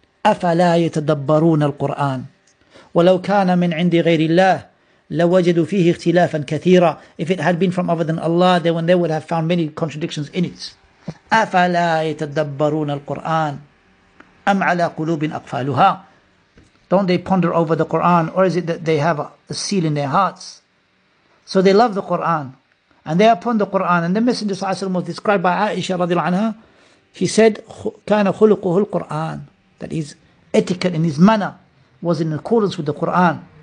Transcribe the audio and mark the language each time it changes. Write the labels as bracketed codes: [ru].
[ar] أفلا يتدبرون القرآن ولو كان من عند غير الله لوجدوا فيه اختلافا كثيرا. [en] If it had been from other than Allah, they would have found many contradictions in it. [ar] أفلا يتدبرون القرآن أم على قلوب أقفالها. [en] Don't they ponder over the Quran, or is it that they have a seal in their hearts? So they love the Quran. And they are upon the Quran. And the Messenger [ar] صلى الله عليه وسلم [en] was described by Aisha [ar] رضي الله عنها. [en] He said, [ar] كان خلقه القرآن. [en] That his etiquette and his manner was in accordance with the Quran.